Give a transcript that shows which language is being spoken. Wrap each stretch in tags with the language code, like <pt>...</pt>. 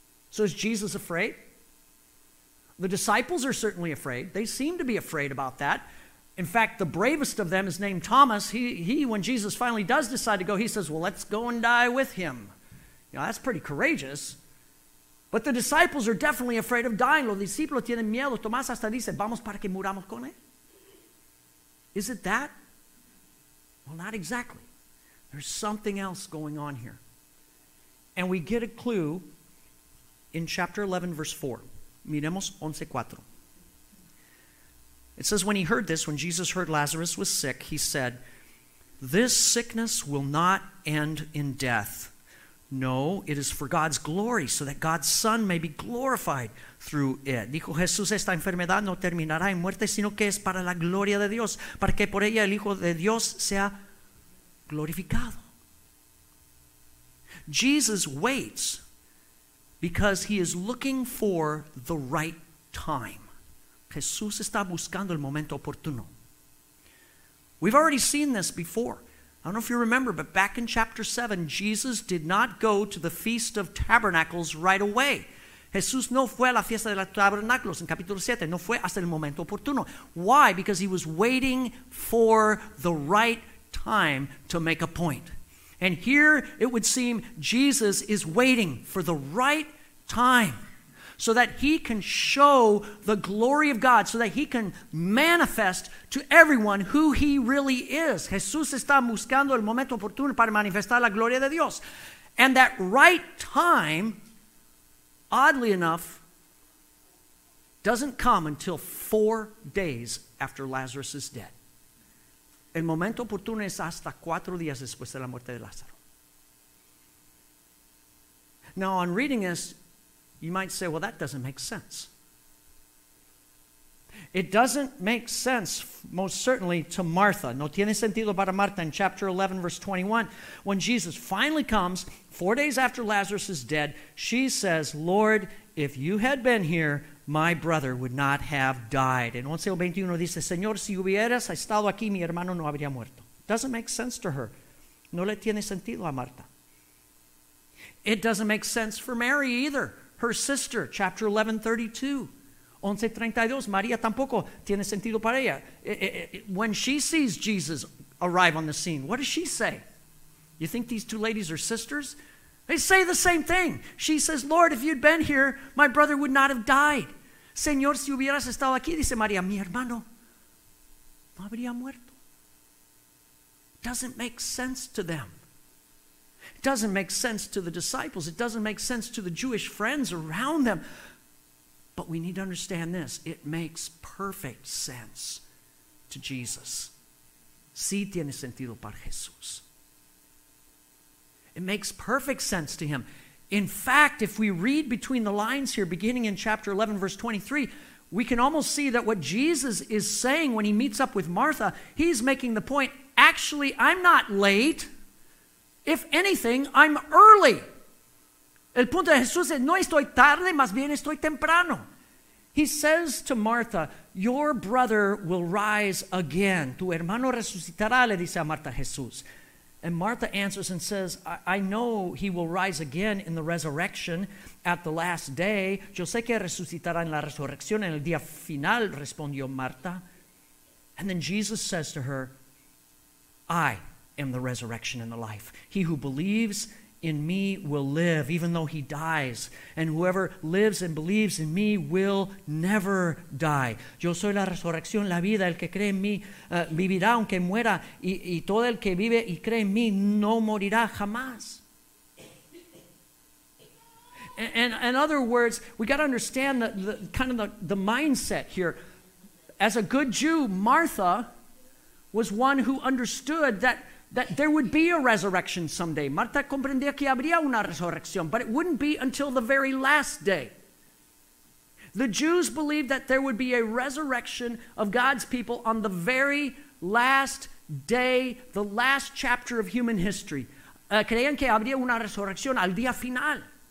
<en>So is Jesus afraid? The disciples are certainly afraid. They seem to be afraid about that. In fact, the bravest of them is named Thomas. He, when Jesus finally does decide to go, he says, well, let's go and die with him. You know, that's pretty courageous. But the disciples are definitely afraid of dying.</en> <es>Los discípulos tienen miedo. Tomás hasta dice, vamos para que muramos con él.</es> <en>Is it that? Well, not exactly. There's something else going on here. And we get a clue in chapter 11, verse 4.</en> <es>Miremos 11:4.</es> <en>It says, when he heard this, when Jesus heard Lazarus was sick, he said, this sickness will not end in death. No, it is for God's glory, so that God's Son may be glorified through it.</en> <es>Dijo Jesús, esta enfermedad no terminará en muerte, sino que es para la gloria de Dios, para que por ella el Hijo de Dios sea glorificado.</es> <en>Jesus waits because he is looking for the right time.</en> <es>Jesús está buscando el momento oportuno.</es> <en>We've already seen this before. I don't know if you remember, but back in chapter 7, Jesus did not go to the Feast of Tabernacles right away.</en> <es>Jesús no fue a la fiesta de los tabernáculos en capítulo 7. No fue hasta el momento oportuno.</es> <en>Why? Because he was waiting for the right time to make a point. And here it would seem Jesus is waiting for the right time, so that he can show the glory of God, so that he can manifest to everyone who he really is.</en> <es>Jesús está buscando el momento oportuno para manifestar la gloria de Dios.</es> <en>And that right time, oddly enough, doesn't come until 4 days after Lazarus is dead.</en> <es>El momento oportuno es hasta 4 días después de la muerte de Lázaro.</es> <en>Now, on reading this, you might say, well, that doesn't make sense. It doesn't make sense, most certainly, to Martha.</en> <es>No tiene sentido para Martha</es> <en>in chapter 11, verse 21. When Jesus finally comes, 4 days after Lazarus is dead, she says, Lord, if you had been here, my brother would not have died.</en> <es>En 11:21 dice, Señor, si hubieras estado aquí, mi hermano no habría muerto.</es> <en>Doesn't make sense to her.</en> <es>No le tiene sentido a Martha.</es> <en>It doesn't make sense for Mary either. Her sister, chapter 11:32.</en> <es>11:32, María tampoco tiene sentido para ella.</es> <en>When she sees Jesus arrive on the scene, what does she say? You think these two ladies are sisters? They say the same thing. She says, Lord, if you'd been here, my brother would not have died.</en> <es>Señor, si hubieras estado aquí, dice María, mi hermano no habría muerto.</es> <en>Doesn't make sense to them. It doesn't make sense to the disciples. It doesn't make sense to the Jewish friends around them. But we need to understand this. It makes perfect sense to Jesus.</en> <es>Sí tiene sentido para Jesús.</es> <en>It makes perfect sense to him. In fact, if we read between the lines here, beginning in chapter 11, verse 23, we can almost see that what Jesus is saying when he meets up with Martha, he's making the point, actually, I'm not late. If anything, I'm early.</en> <es>El punto de Jesús es, no estoy tarde, más bien estoy temprano.</es> <en>He says to Martha, Your brother will rise again.</en> <es>Tu hermano resucitará, le dice a Marta Jesús.</es> <en>And Martha answers and says, I know he will rise again in the resurrection at the last day.</en> <es>Yo sé que resucitará en la resurrección, en el día final, respondió Marta.</es> <en>And then Jesus says to her, I am the resurrection and the life. He who believes in me will live, even though he dies. And whoever lives and believes in me will never die.</en> <es>Yo soy la resurrección, la vida. El que cree en mí vivirá aunque muera. Y todo el que vive y cree en mí no morirá jamás.</es> <en>In other words, we got to understand the mindset here. As a good Jew, Martha was one who understood that there would be a resurrection someday.</en> <es>Marta comprendía que habría una resurrección,</es> <en>but it wouldn't be until the very last day. The Jews believed that there would be a resurrection of God's people on the very last day, the last chapter of human history.</en> <es>Creían que habría una resurrección al día final.</es>